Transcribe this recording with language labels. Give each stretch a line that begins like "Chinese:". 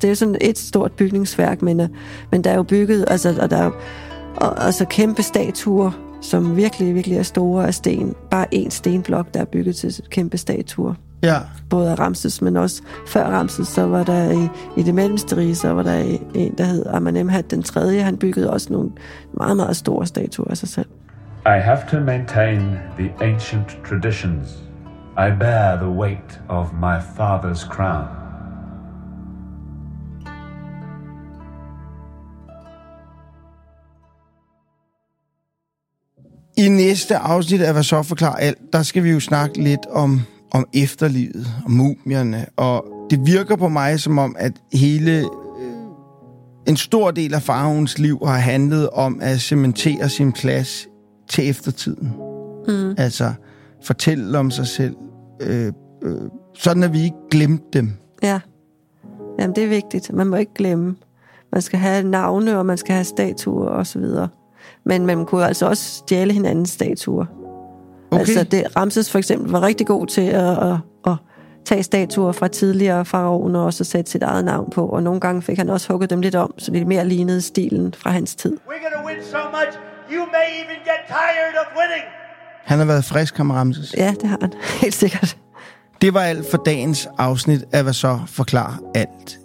Danish: Det er sådan et stort bygningsværk, men der er jo bygget, altså, og der er altså kæmpe statuer, som virkelig, virkelig er store af sten. Bare en stenblok, der er bygget til kæmpe statuer. Ja. Både af Ramses, men også før Ramses, så var der i det mellemste rige, så var der en, der hed Amenemhat den tredje. Han byggede også nogle meget, meget store statuer af sig selv.
English: I have to maintain the ancient traditions. I bear the weight of my father's crown.
Danish: I næste afsnit af Hvad så forklarer alt, der skal vi jo snakke lidt om efterlivet, om mumierne. Og det virker på mig som om, at hele en stor del af faraoens liv har handlet om at cementere sin plads til eftertiden. Mm. Altså fortælle om sig selv, sådan at vi ikke glemte dem. Ja. Jamen, det er vigtigt. Man må ikke glemme. Man skal have navne, og man skal have statuer og så videre. Men man kunne altså også stjæle hinandens statuer. Okay. Altså, det, Ramses for eksempel var rigtig god til at tage statuer fra tidligere faraoner og så sætte sit eget navn på. Og nogle gange fik han også hugget dem lidt om, så det mere lignede stilen fra hans tid.
English: We're gonna win so much, you may even get tired of winning.
Danish: Han har været frisk, ham Ramses. Ja, det har han. Helt sikkert. Det var alt for dagens afsnit af Hvad så forklarer alt.